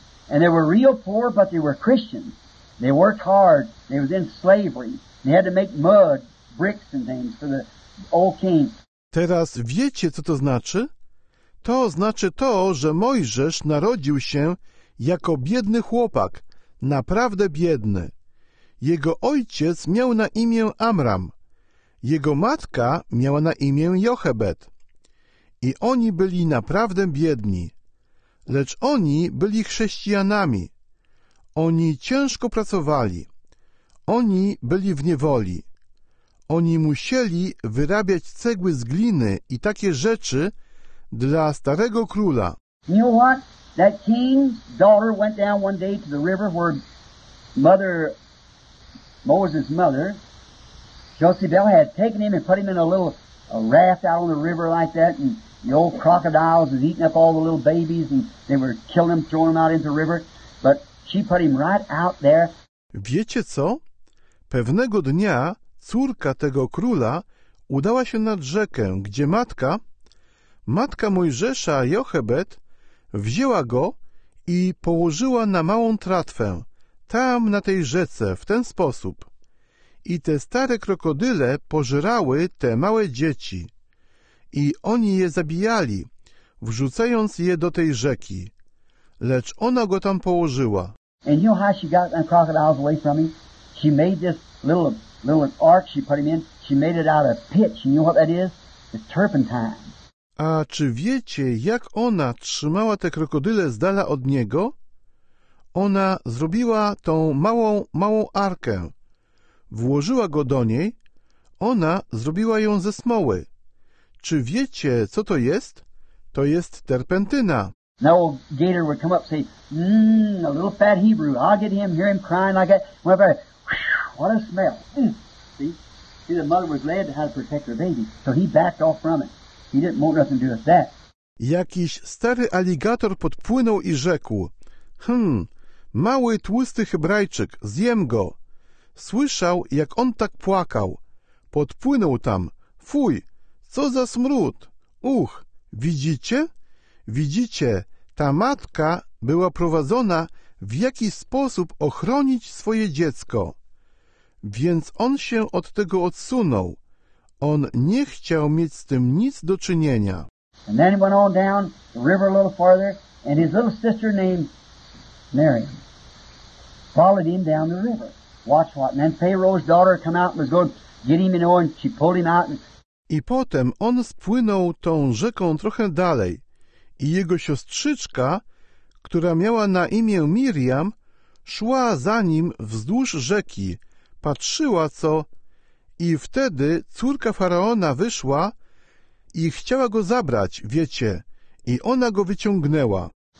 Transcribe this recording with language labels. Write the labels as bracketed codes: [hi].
[en] And they were real poor, but they were Christians. They worked hard. They was in slavery. They had to make mud, bricks and things for the old king. [pl] Teraz wiecie, co to znaczy? To znaczy to, że Mojżesz narodził się jako biedny chłopak, naprawdę biedny. Jego ojciec miał na imię Amram. Jego matka miała na imię Jochebed. I oni byli naprawdę biedni. Lecz oni byli chrześcijanami. Oni ciężko pracowali. Oni byli w niewoli. Oni musieli wyrabiać cegły z gliny i takie rzeczy dla starego króla. [en] You know what? That king's daughter went down one day to the river where Moses' mother, Jezebel, had taken him and put him in a raft out on the river like that, and the old crocodiles was eating up all the little babies, and they were killing them, throwing them out into the river, but she put him right out there. [pl] Wiecie co? Pewnego dnia córka tego króla udała się nad rzekę, gdzie matka Mojżesza, Jochebed, wzięła go i położyła na małą tratwę, tam na tej rzece, w ten sposób. I te stare krokodyle pożerały te małe dzieci. I oni je zabijali, wrzucając je do tej rzeki. Lecz ona go tam położyła. [en] And you know how she got the crocodiles away from him? She made this little ark she put him in. She made it out of pitch. You know what that is? It's turpentine. [pl] A czy wiecie, jak ona trzymała te krokodyle z dala od niego? Ona zrobiła tą małą arkę. Włożyła go do niej. Ona zrobiła ją ze smoły. Czy wiecie, co to jest? To jest terpentyna. [en] Now old gator would come up and say, a little fat Hebrew. I'll get him, hear him crying like that. What a smell. See, the mother was glad to have to protect her baby. So he backed off from it. He didn't want nothing to do with that. [pl] Jakiś stary aligator podpłynął i rzekł: mały, tłusty Hebrajczyk, zjem go. Słyszał, jak on tak płakał. Podpłynął tam. Fuj, co za smród. Widzicie? Widzicie, ta matka była prowadzona, w jaki sposób ochronić swoje dziecko. Więc on się od tego odsunął. On nie chciał mieć z tym nic do czynienia. [en] And then he went on down the river a little farther, and his little sister named Miriam followed him down the river. Watch what. And then Pharaoh's daughter came out and was going to get him, and she pulled him out. [pl] I potem on spłynął tą rzeką trochę dalej, i jego siostrzyczka, która miała na imię Miriam, szła za nim wzdłuż rzeki, patrzyła co. I wtedy córka Faraona wyszła i chciała go zabrać, wiecie, i ona go wyciągnęła.